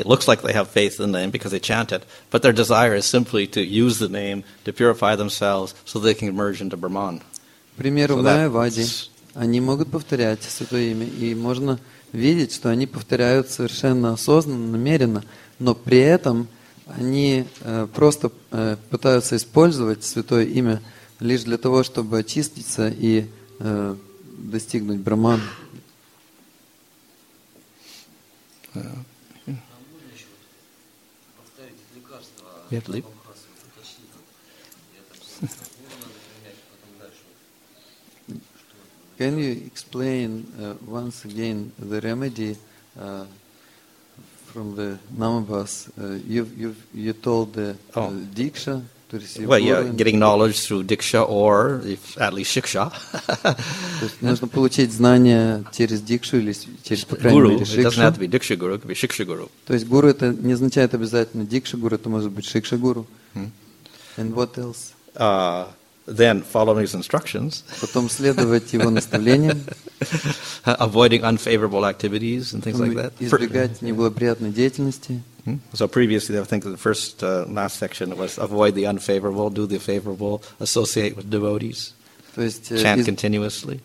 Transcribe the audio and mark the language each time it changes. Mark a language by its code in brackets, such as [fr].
[en] It looks like they have faith in the name because they chant it, but their desire is simply to use the name to purify themselves so they can merge into Brahman. [ru] К примеру, мои вади, они могут повторять святое имя, и можно видеть, что они повторяют совершенно осознанно, намеренно, но при этом они просто пытаются использовать святое имя лишь для того, чтобы очиститься и достигнуть Брахман. [en] Can you explain once again the remedy from the Namabhas? You told the diksha. Well, yeah, getting knowledge through diksha or if at least shiksha. [ru] Нужно получить знания через дикшу или через по крайней [en] guru. [ru] Мере шикшу. [en] It doesn't have to be diksha guru, it could be shiksha guru. [ru] То есть гуру это не означает обязательно дикша гуру, это может быть шикша гуру. [en] And what else? Then following his instructions. [ru] Потом следовать его наставлениям. [en] Avoiding unfavorable activities and things like that. [ru] Избегать неблагоприятной деятельности. [en] So previously, I think the first last section was avoid the unfavorable, do the favorable, associate with devotees, chant continuously.